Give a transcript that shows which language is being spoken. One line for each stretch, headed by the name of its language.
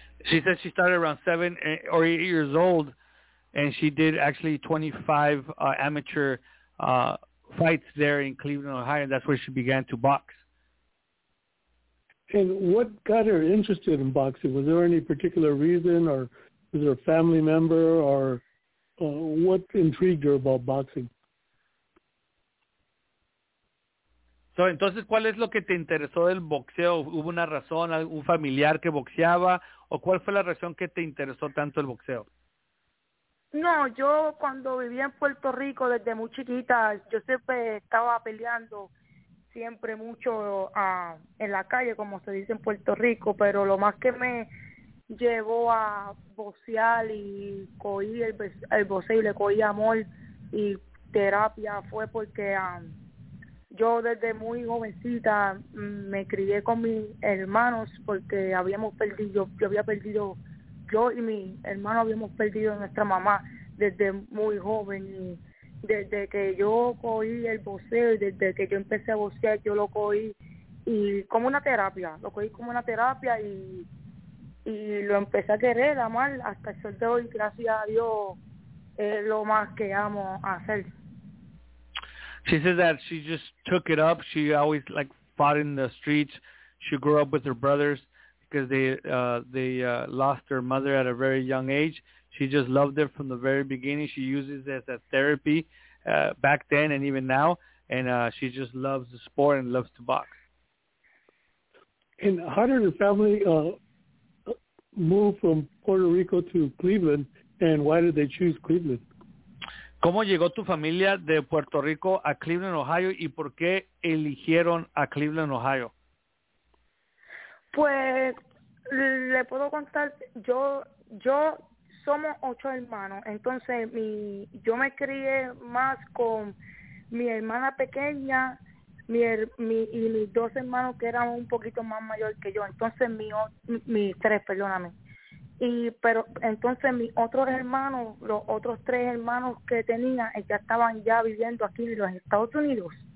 English: She said she started around 7 or 8 years old, and she did actually 25 amateur fights there in Cleveland, Ohio. That's where she began to box. And what got her interested in boxing? Was there any particular reason, or was there a family member, or what intrigued her about boxing?
Spanish: So, entonces, ¿cuál es lo que te interesó del boxeo? ¿Hubo una razón, algún familiar que boxeaba, o cuál fue la razón que te interesó tanto el boxeo? No, yo cuando vivía en Puerto Rico desde muy chiquita, yo siempre estaba peleando siempre mucho en la calle, como se dice en Puerto Rico, pero lo más que me llevó a boxear y cogí el boxeo y le cogí amor y terapia fue porque yo desde muy jovencita me crié con mis hermanos porque yo había perdido yo y mi hermano habíamos perdido a nuestra mamá desde muy joven. Y desde que yo cogí el boxeo y desde que yo empecé a boxear, yo lo cogí y como una terapia. Lo cogí como una terapia y lo empecé a querer, amar hasta el sol de hoy. Gracias a Dios, es lo más que amo hacer.
English: She says that she just took it up. She always like fought in the streets. She grew up with her brothers, because they lost their mother at a very young age. She just loved it from the very beginning. She uses it as a therapy back then and even now. And she just loves the sport and loves to box. And how did her family move from Puerto Rico to Cleveland, and why did they choose Cleveland?
Spanish: ¿Cómo llegó tu familia de Puerto Rico a Cleveland, Ohio, y por qué eligieron a Cleveland, Ohio? Pues, le puedo contar, yo somos 8 hermanos, entonces yo me crié más con mi hermana pequeña y mis dos hermanos que eran un poquito más mayor que yo, entonces entonces mis otros hermanos, los otros tres hermanos que tenía, ya estaban ya viviendo aquí en los Estados Unidos.